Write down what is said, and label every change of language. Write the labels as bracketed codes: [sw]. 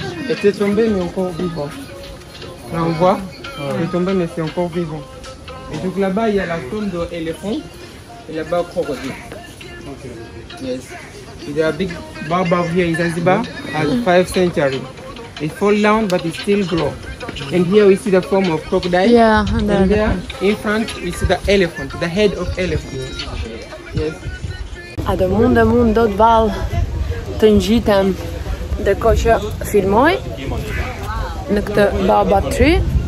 [fr] Et t'es tombé mais encore vivant. Là on voit, t'es tombé mais c'est encore vivant. Et donc là-bas il y a la tombe de l'éléphant. Et là-bas au crocodile. Okay. [en] Yes. There are big barbar here in Zanzibar at 5th century. It fall down but it still grow. And here we see the form of crocodile. Yeah, and there in front we see the elephant, the head of elephant. Yes. [sq] A do mund do të vall të ngjitem ndërkohë që filmoj në këtë baba tree.